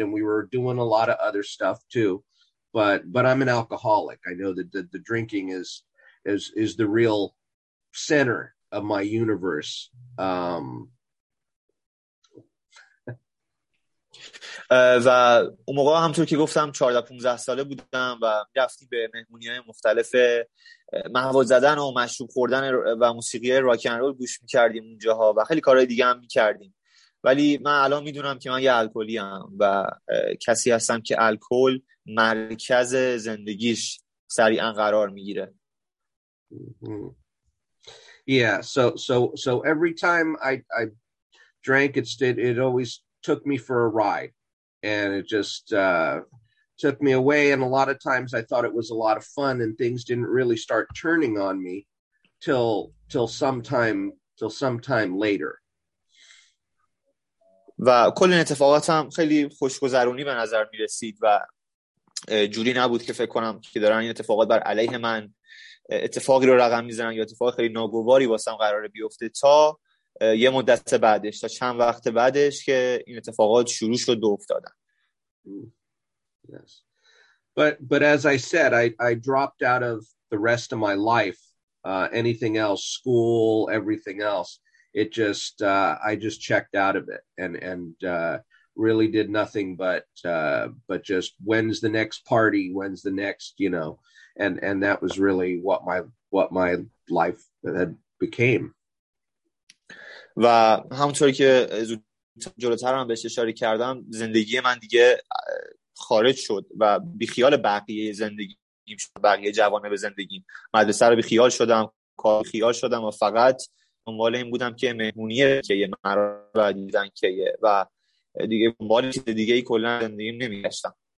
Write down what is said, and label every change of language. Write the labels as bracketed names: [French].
[English] And we were doing a lot of other stuff too, but I'm an alcoholic. I know that the drinking is the real center of my universe. [Persian] و اون موقع همونطور که گفتم 14-15 ساله بودم و رفتیم به مهمونی‌های مختلف، مواد زدن و مشروب خوردن و موسیقی راک اند رول گوش می‌کردیم اونجاها و خیلی کارهای دیگه هم می‌کردیم. ولی من الان می‌دونم که من یه الکلی‌ام و کسی هستم که الکل مرکز زندگیش سریعا قرار می‌گیره. [English] Yeah, so every time I drank, it always took me for a ride. And it just took me away. And a lot of times I thought it was a lot of fun, and things didn't really start turning on me till sometime later. [Persian] و کل این اتفاقات هم خیلی خوشگذرونی به نظر می رسید و جوری نبود که فکر کنم که دارن این اتفاقات بر علیه من اتفاقی رو رقم می زنن یا اتفاق خیلی ناگواری واسم قراره بیفته، تا یه مدت بعدش، تا چند وقت بعدش که این اتفاقات شروع شد و افتادن. [English] Yes. But as I said, I dropped out of the rest of my life, anything else, school, everything else. It just I just checked out of it and really did nothing but just when's the next party, when's the next, you know, and that was really what my life had became. [Persian] و همونطوری که جلوتر هم بهش اشاره کردم، زندگی من دیگه خارج شد و بیخیال بقیه زندگیم شد، بقیه جوانه به زندگیم، مدرسه رو بیخیال شدم، کار بیخیال شدم و فقط دنبال این بودم که مهمونیه که یه مرد و دیدن که یه و دیگه دنبال چیز دیگه ای کلن زندگیم نمیگشتم.